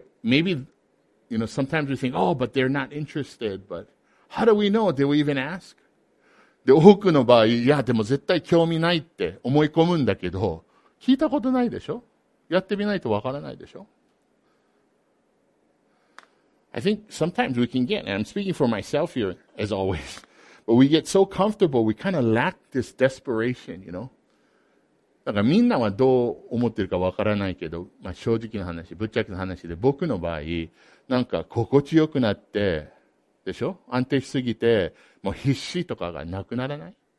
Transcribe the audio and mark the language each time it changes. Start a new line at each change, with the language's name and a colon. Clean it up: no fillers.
English: Maybe, sometimes we think, oh, but they're not interested, but... How do we know? Did we even ask?
Japanese: で、多くの場合、いや、でも絶対興味ないって思い込むんだけど、聞いたことないでしょ？やってみないとわからないでしょ？
English: I think sometimes we can get, and I'm speaking for myself here, as always, but we get so comfortable, we kind of lack this desperation, you know?
Japanese: だからみんなはどう思ってるかわからないけど、まあ正直な話、ぶっちゃけな話で、僕の場合、なんか心地よくなって、でしょ？安定しすぎて、もう必死とかがなくならない？